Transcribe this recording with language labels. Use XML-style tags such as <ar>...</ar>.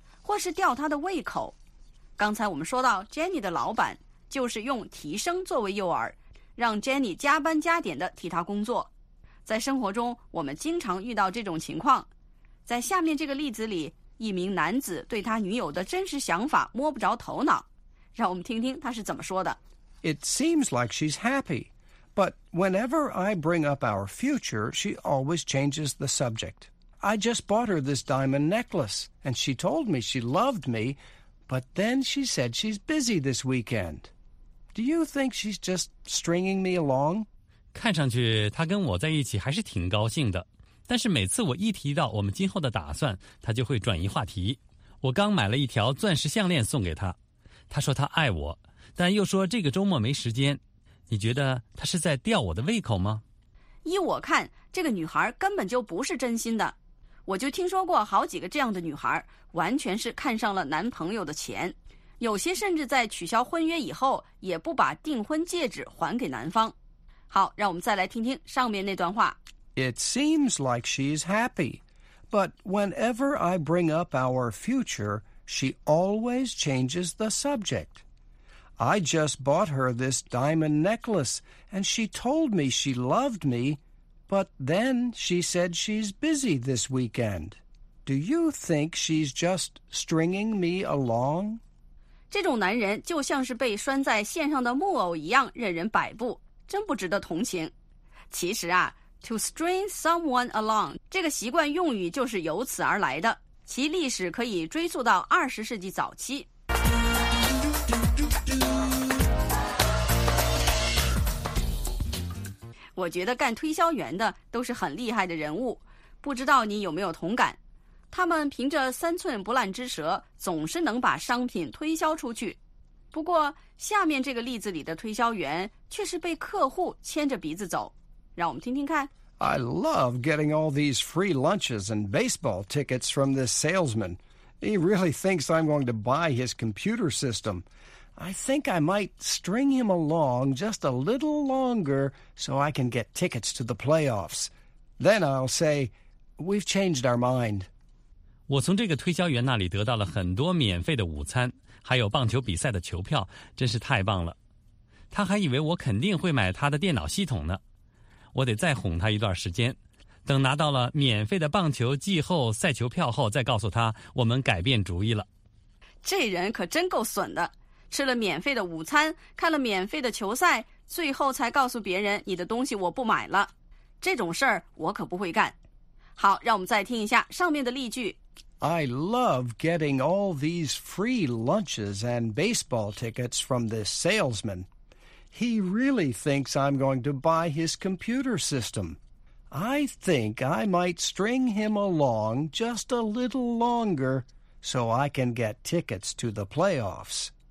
<zh>或是吊他的胃口。刚才我们说到 Jenny 的老板就是用提升作为诱饵，让 Jenny 加班加点的替他工作。在生活中我们经常遇到这种情况。在下面这个例子里，一名男子对他女友的真实想法摸不着头脑，让我们听听他是怎么说的。</zh> <en>It seems like she's happy, but whenever I bring up our future, she always changes the subject. I just bought her this diamond necklace, and she told me she loved me, but then she said she's busy this weekend. Do you think she's just stringing me along?</en> <zh>看上去她跟我在一起还是挺高兴的，但是每次我一提到我们今后的打算，她就会转移话题。我刚买了一条钻石项链送给她，她说她爱我，但又说这个周末没时间。你觉得她是在吊我的胃口吗？依我看，这个女孩根本就不是真心的。我就听说过好几个这样的女孩，完全是看上了男朋友的钱，有些甚至在取消婚约以后也不把订婚戒指还给男方。好，让我们再来听听上面那段话。</zh> <en>It seems like she's happy, but whenever I bring up our future, she always changes the subject. I just bought her this diamond necklace, and she told me she loved me, but then she said she's busy this weekend. Do you think she's just stringing me along?</en> <zh>这种男人就像是被拴在线上的木偶一样任人摆布，真不值得同情。其实啊 ,</zh> <en>to string someone along,</en> <zh>这个习惯用语就是由此而来的，其历史可以追溯到20世纪早期。我觉得干推销员的都是很厉害的人物，不知道你有没有同感。他们凭着三寸不烂之舌，总是能把商品推销出去。不过，下面这个例子里的推销员却是被客户牵着鼻子走。让我们听听看。</zh> <en>I love getting all these free lunches and baseball tickets from this salesman. He really thinks I'm going to buy his computer system. I think I might string him along just a little longer so I can get tickets to the playoffs. Then I'll say, we've changed our mind.</en> <zh>我从这个推销员那里得到了很多免费的午餐，还有棒球比赛的球票，真是太棒了。他还以为我肯定会买他的电脑系统呢。我得再哄他一段时间，等拿到了免费的棒球季后赛球票后，再告诉他我们改变主意了。这人可真够损的，吃了免费的午餐，看了免费的球赛，最后才告诉别人你的东西我不买了。这种事儿我可不会干。好，让我们再听一下上面的例句。</zh> <en>I love getting all these free lunches and baseball tickets from this salesman. He really thinks I'm going to buy his computer system. I think I might string him along just a little longer so I can get tickets to the playoffs.</en>